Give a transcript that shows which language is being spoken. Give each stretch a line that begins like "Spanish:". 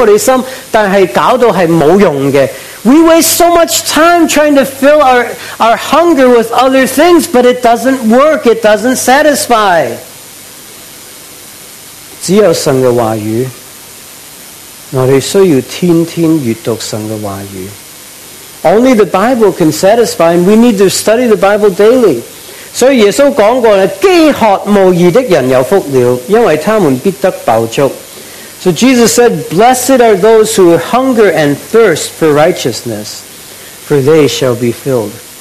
Chinese: 我们是用很多时间是找一些不足为食物的想填满我们的心但是搞到是没用的。
English: We waste so much time trying to fill our hunger with other things, but it doesn't work, it doesn't satisfy.
Chinese: 只有神的话语, 我们需要天天阅读神的话语。
English: Only the Bible can satisfy, and we need to study the Bible daily.
Chinese: 所以耶稣说过,饥渴慕义的人有福了,因为他们必得饱足。
English: So Jesus said, blessed are those who hunger and thirst for righteousness, for they shall be filled.